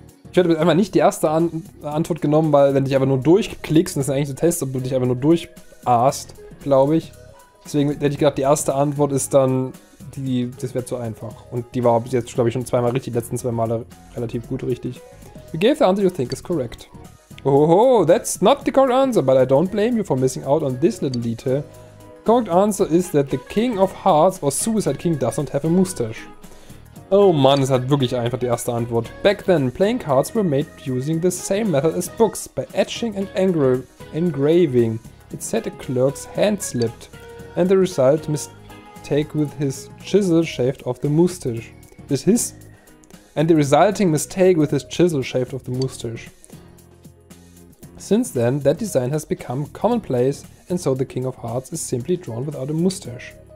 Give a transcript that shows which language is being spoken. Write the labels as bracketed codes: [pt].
[de] Ich hätte einfach nicht die erste Antwort genommen, weil wenn du dich einfach nur durchklickst, das ist eigentlich so ein Test, ob du dich einfach nur durcharst, glaube ich. Deswegen hätte ich gedacht, die erste Antwort ist dann, das wäre zu einfach. Und die war bis jetzt, glaube ich, schon zweimal richtig, die letzten zwei Male relativ gut richtig. [en] You gave the answer you think is correct. Oh, that's not the correct answer, but I don't blame you for missing out on this little detail. The correct answer is that the King of Hearts or Suicide King does not have a moustache. [de] Oh man, es hat wirklich einfach die erste Antwort. [en] Back then, playing cards were made using the same method as books, by etching and engraving. It said a clerk's hand slipped, and the result mistake with his chisel shaved off the moustache. And the resulting mistake with his chisel shaved off the moustache. Since then, that design has become commonplace, and so the King of Hearts is simply drawn without a mustache.